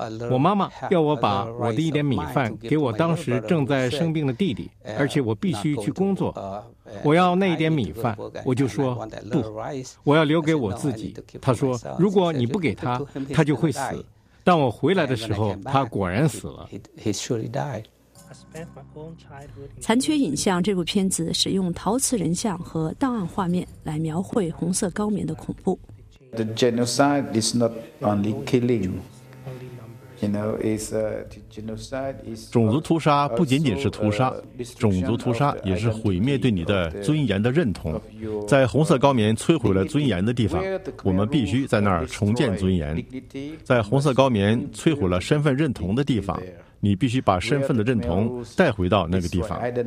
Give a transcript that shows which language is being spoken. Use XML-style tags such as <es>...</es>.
<zh>我妈妈要我把我的一点米饭给我当时正在生病的弟弟，而且我必须去工作，我要那一点米饭，我就说不，我要留给我自己。她说如果你不给他就会死，但我回来的时候他果然死了。残缺影像这部片子使用陶瓷人像和档案画面来描绘红色高棉的恐怖。</zh> <en>The genocide is not only killing, you know, it's a genocide is</en> <zh>种族屠杀不仅仅是屠杀，种族屠杀也是毁灭对你的尊严的认同。在红色高棉摧毁了尊严的地方，我们必须在那儿重建尊严。在红色高棉摧毁了身份认同的地方，你必须把身份的认同带回到那个地方。</zh>